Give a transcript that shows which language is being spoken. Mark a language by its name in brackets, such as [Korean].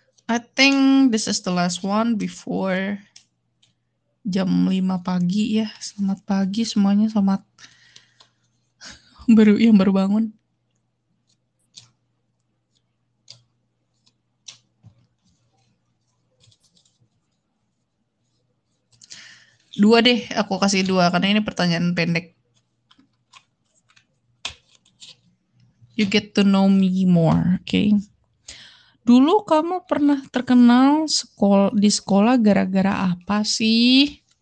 [English] I think this is the last one before [Indonesian] jam 5 pagi ya. Selamat pagi semuanya, selamat baru yang baru bangun. Dua deh, aku kasih dua karena ini pertanyaan pendek. [English] You get to know me more, okay? [Indonesian] Dulu kamu pernah terkenal di sekolah gara-gara apa sih?